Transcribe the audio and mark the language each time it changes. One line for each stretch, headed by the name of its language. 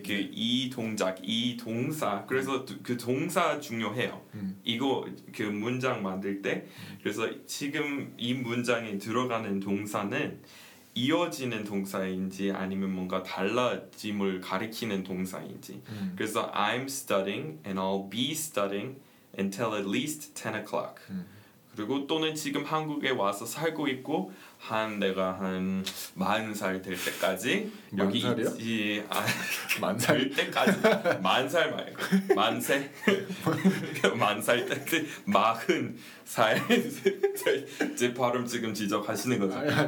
Korean: 그 이 동작, 이 동사. 그래서 그 동사 중요해요. 이거 그 문장 만들 때. 그래서 지금 이 문장에 들어가는 동사는 이어지는 동사인지 아니면 뭔가 달라짐을 가리키는 동사인지.
English: 그래서 I'm studying and I'll be studying until at least 10 o'clock.
Korean: 그리고 또는 지금 한국에 와서 살고 있고 한 내가 한 40살 될 때까지 여기 있지 만살 때까지 만살 말고 만세 만살 때 40살 제 발음 지금 지적하시는 거죠?